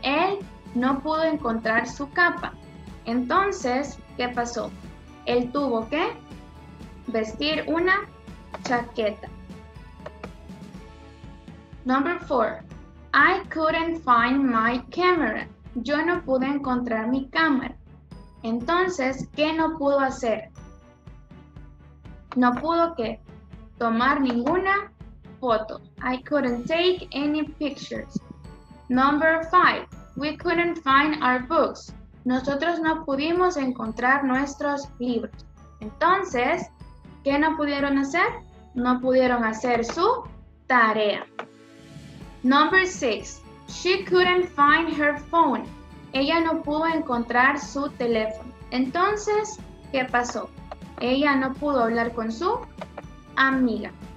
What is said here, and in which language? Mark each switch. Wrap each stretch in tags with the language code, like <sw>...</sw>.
<es>Él no pudo encontrar su capa. Entonces, ¿qué pasó? Él tuvo que vestir una chaqueta.</es> <en>Number four. I couldn't find my camera.</en> <es>Yo no pude encontrar mi cámara. Entonces, ¿qué no pudo hacer? No pudo que tomar ninguna foto.</es> <en>I couldn't take any pictures. Number five. We couldn't find our books.</en> <es>Nosotros no pudimos encontrar nuestros libros. Entonces, ¿qué no pudieron hacer? No pudieron hacer su tarea.</es> <en>Number six. She couldn't find her phone.</en> <es>Ella no pudo encontrar su teléfono. Entonces, ¿qué pasó? Ella no pudo hablar con su amiga.</es>